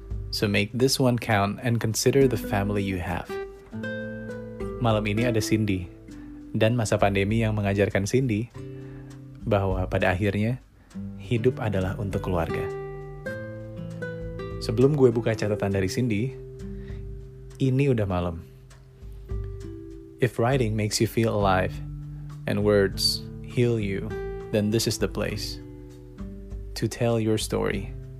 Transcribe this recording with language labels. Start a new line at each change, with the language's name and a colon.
English: So make this one count and consider the family you have.
Indonesian: Malam ini ada Cindy. Dan masa pandemi yang mengajarkan Cindy bahwa pada akhirnya hidup adalah untuk keluarga. Sebelum gue buka catatan dari Cindy, ini udah malam.
English: If writing makes you feel alive and words heal you, then this is the place to tell your story.